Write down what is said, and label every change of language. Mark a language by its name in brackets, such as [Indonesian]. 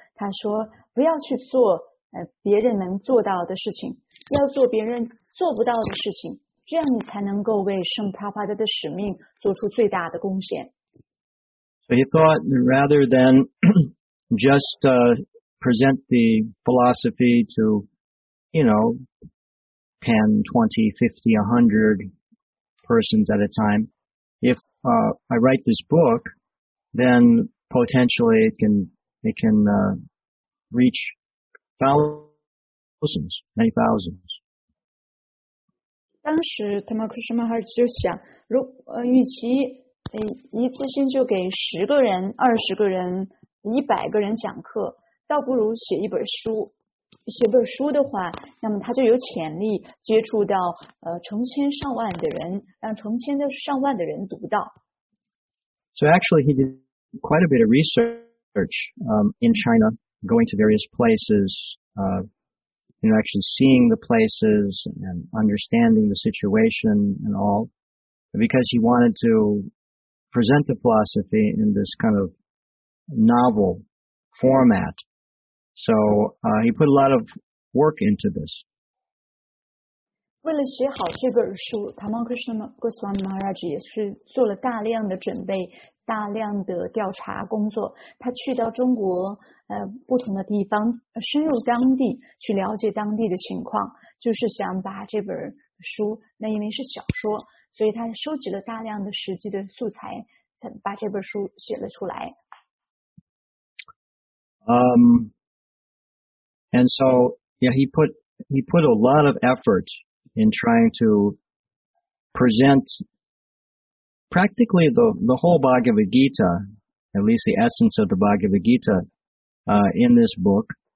[Chinese] 他说不要去做别人能做到的事情，要做别人做不到的事情，这样你才能够为圣帕帕达的使命做出最大的贡献。 [English] So he thought rather than just present the philosophy to, you know, 10, 20, 50, 100 persons at a time. If I write this book, then potentially it can reach thousands, many thousands. [Chinese] 当时塔玛库什马哈尔就想，与其一次性就给十个人、二十个人、一百个人讲课，倒不如写一本书。写本书的话，那么他就有潜力接触到成千上万的人，让成千的上万的人读到。 [English] So actually, he did quite a bit of research in China, going to various places, actually seeing the places and understanding the situation and all, because he wanted to present the philosophy in this kind of novel format. So he put a lot of work into this. [Chinese] 为了写好这本书，塔玛库什马哈尔斯马哈吉也是做了大量的准备，大量的调查工作。他去到中国不同的地方，深入当地去了解当地的情况，就是想把这本书，那因为是小说，所以他收集了大量的实际的素材，才把这本书写了出来。 [English] And so, yeah, he put a lot of effort in trying to present practically the whole Bhagavad Gita, at least the essence of the Bhagavad Gita, in this book.